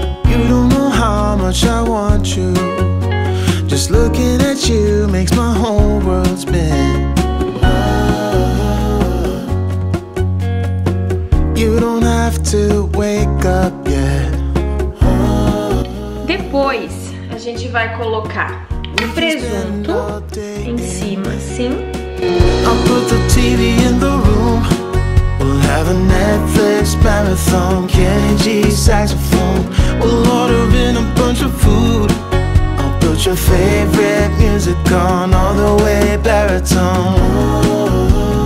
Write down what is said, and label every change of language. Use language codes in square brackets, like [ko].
[en] You don't know how much I want you. Just looking at you makes my whole world spin. You don't have to wake up yet. [pt] Depois a gente vai colocar o presunto em cima, assim. [en] I'll put the TV in the room. We'll have a Netflix marathon. KG saxophone. We'll order in a bunch of food. Put your favorite music on all the way baritone.